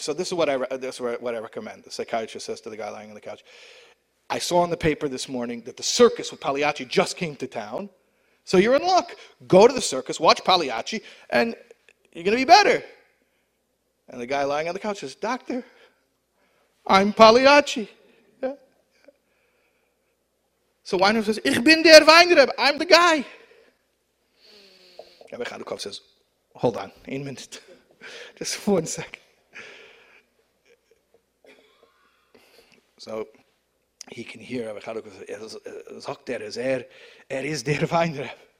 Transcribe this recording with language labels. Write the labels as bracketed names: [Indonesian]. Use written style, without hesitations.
[English] So this is what I recommend. The psychiatrist says to the guy lying on the couch, I saw in the paper this morning that the circus with Pagliacci just came to town. So you're in luck. Go to the circus, watch Pagliacci, and you're going to be better. And the guy lying on the couch says, doctor, I'm Pagliacci. Yeah. So Weinreb says, [Yiddish] Ich bin der Weinreb. [English] I'm the guy. Rabbi Chadakov says, hold on, 1 minute. Just 1 second. So he can hear Rabbi Chadakov say, [Yiddish] er is der Weinreb.